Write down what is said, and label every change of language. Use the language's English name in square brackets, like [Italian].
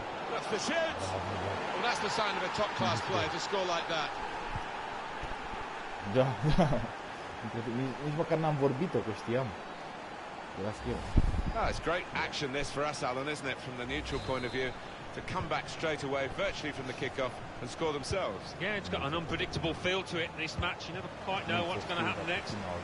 [English] That's the shoot. Well, that's the sign of a top class player to score like that. [Romanian] Da, da. Nici măcar n-am vorbit-o, că știam. Era schimb. [English] Oh, it's great action this for us, Alan, isn't it, from the neutral point of view, to come back straight away, virtually from the kick-off, and score themselves. Yeah, it's got an unpredictable feel to it, this match. You never quite know what's going to happen next.